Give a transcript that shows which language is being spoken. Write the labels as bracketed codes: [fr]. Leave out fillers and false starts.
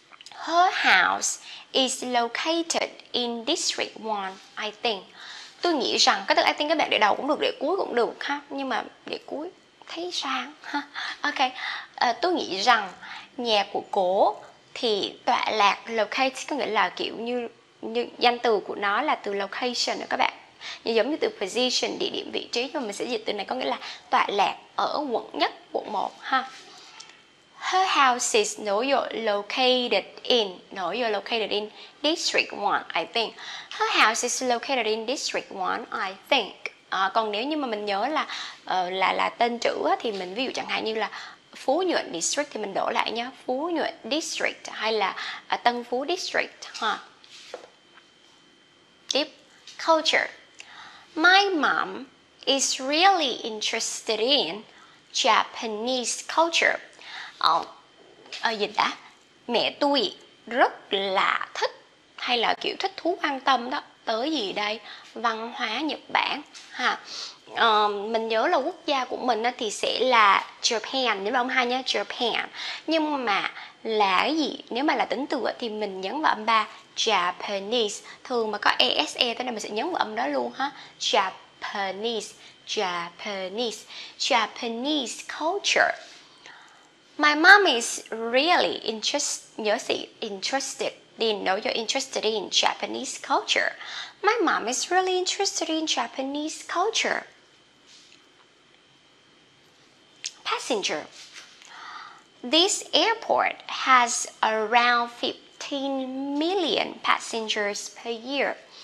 [en] Her house is located in District 1, I think. [vi] Tôi nghĩ rằng, có thể [en] I think [vi] các bạn để đầu cũng được, để cuối cũng được ha. Nhưng mà để cuối thấy sang. Ok. Tôi nghĩ rằng nhà của cô thì tọa lạc, locate có nghĩa là kiểu như danh từ của nó là từ location đó các bạn. Như giống như từ position, địa điểm, vị trí, nhưng mà mình sẽ dịch từ này có nghĩa là tọa lạc ở quận nhất, quận 1 ha. [en] Her house is located in, district 1, I think. Her house is located in district 1, I think. [vi] Còn nếu như mà mình nhớ là tên chữ thì mình ví dụ chẳng hạn như là Phú Nhuận district thì mình đổi lại nhé. Phú Nhuận district hay là Tân Phú district ha. Tiếp. [en] Culture. My mom is really interested in Japanese culture. [vi] Dịch đã. Mẹ tôi rất là thích hay là kiểu thích thú quan tâm đó tới gì đây, văn hóa Nhật Bản ha. Mình nhớ là quốc gia của mình thì sẽ là Japan, nếu mà ông hay nha, Japan. Nhưng mà là cái gì, nếu mà là tính từ thì mình nhấn vào âm ba Japanese, thường mà có ese thế nên mình sẽ nhấn vào âm đó luôn ha, Japanese, Japanese, Japanese culture. [en] My mom is really interested, [vi] nhớ sĩ [en] interested in, know you're interested in Japanese culture. My mom is really interested in Japanese culture. Passenger. This airport has around 15 million passengers per year.